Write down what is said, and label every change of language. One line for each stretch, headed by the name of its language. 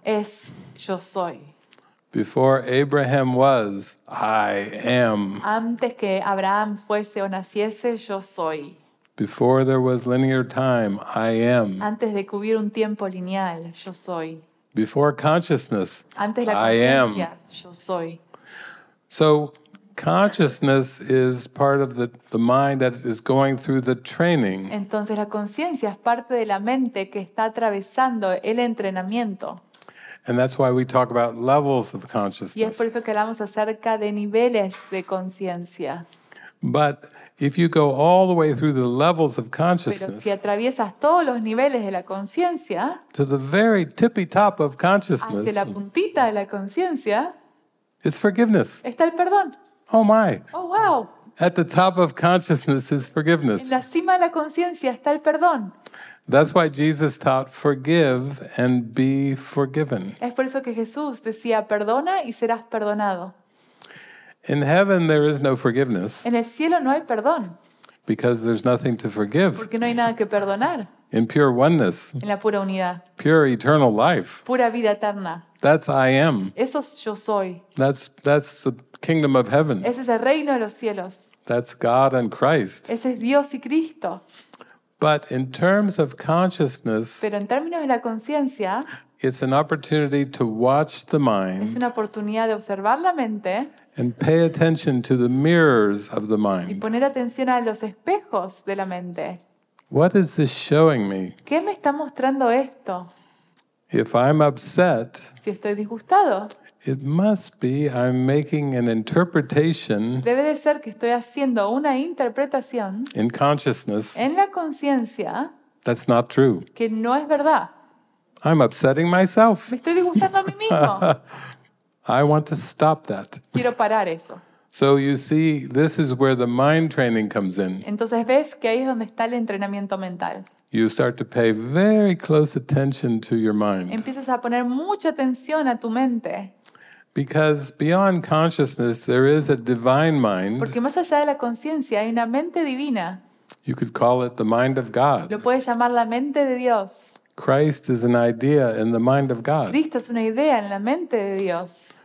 Spanish: Es yo soy.
English: Before Abraham was, I am.
Spanish: Antes que Abraham fuese o naciese, yo soy.
English: Before there was linear time, I am.
Spanish: Antes de que hubiera un tiempo lineal, yo soy.
English: Before consciousness,
Spanish: antes la
English: I am.
Spanish: Yo soy.
English: So consciousness is part of the mind that is going through the training.
Spanish: Entonces la conciencia es parte de la mente que está atravesando el entrenamiento.
English: And that's why we talk about levels of consciousness.
Spanish: Y es por eso que hablamos acerca de niveles de conciencia.
English: But if you go all the way through the levels of consciousness,
Spanish: pero si atraviesas todos los niveles de la conciencia,
English: to the very tippy top of consciousness,
Spanish: hacia la puntita de la conciencia,
English: it's forgiveness.
Spanish: Está el perdón.
English: Oh my. Oh wow. At the top of consciousness is forgiveness.
Spanish: En la cima de la conciencia está el perdón.
English: That's why Jesus taught forgive and be forgiven.
Spanish: Es por eso que Jesús decía perdona y serás perdonado.
English: In heaven there is no forgiveness.
Spanish: En el cielo no hay perdón.
English: Because there's nothing to forgive.
Spanish: Porque no hay nada que perdonar.
English: In pure oneness.
Spanish: En la pura unidad.
English: Pure eternal life.
Spanish: Pura vida eterna.
English: That's I am.
Spanish: Eso yo soy.
English: That's the kingdom of heaven.
Spanish: Ese es el reino de los cielos.
English: That's God and Christ.
Spanish: Ese es Dios y Cristo.
English: But in terms of consciousness,
Spanish: pero en términos de la conciencia,
English: it's an opportunity to watch the mind.
Spanish: Es una oportunidad de observar la mente.
English: And pay attention to the mirrors of the mind.
Spanish: Y poner atención a los espejos de la mente.
English: What is this showing me?
Spanish: ¿Qué me está mostrando esto?
English: If I'm upset,
Spanish: si estoy disgustado,
English: it must be I'm making an interpretation.
Spanish: Debe de ser que estoy haciendo una interpretación.
English: In consciousness.
Spanish: En la conciencia.
English: That's not true.
Spanish: Que no es verdad.
English: I'm upsetting myself.
Spanish: Me estoy disgustando a mí mismo.
English: I want to stop that.
Spanish: Quiero parar eso.
English: So you see, this is where the mind training comes in.
Spanish: Entonces ves que ahí es donde está el entrenamiento mental.
English: You start to pay very close attention to your mind.
Spanish: Empiezas a poner mucha atención a tu mente.
English: Because beyond consciousness, there is a divine mind.
Spanish: Porque más allá de la conciencia hay una mente divina.
English: You could call it the mind of God.
Spanish: Lo puedes llamar la mente de Dios.
English: Christ is an idea in the mind of God.
Spanish: Cristo es una idea en la mente de Dios.